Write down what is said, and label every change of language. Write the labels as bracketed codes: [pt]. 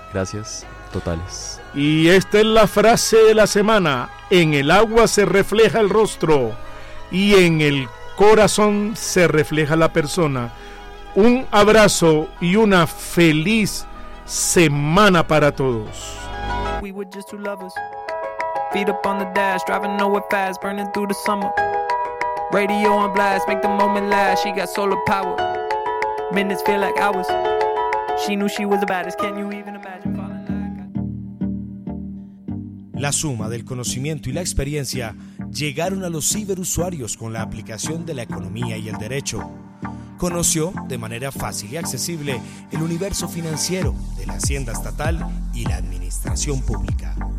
[es] Gracias totales. Y esta es la frase de la semana: en el agua se refleja el rostro y en el corazón se refleja la persona. Un abrazo y una feliz semana para todos. [en] We were just two lovers, feet up on the dash, driving nowhere fast, burning through the summer. Radio on blast, make the moment last, she got solar power. Minutes feel like hours. She knew she was the baddest. Can you even imagine falling like... [es] La suma del conocimiento y la experiencia llegaron a los ciberusuarios con la aplicación de la economía y el derecho. Conoció de manera fácil y accesible el universo financiero de la hacienda estatal y la administración pública.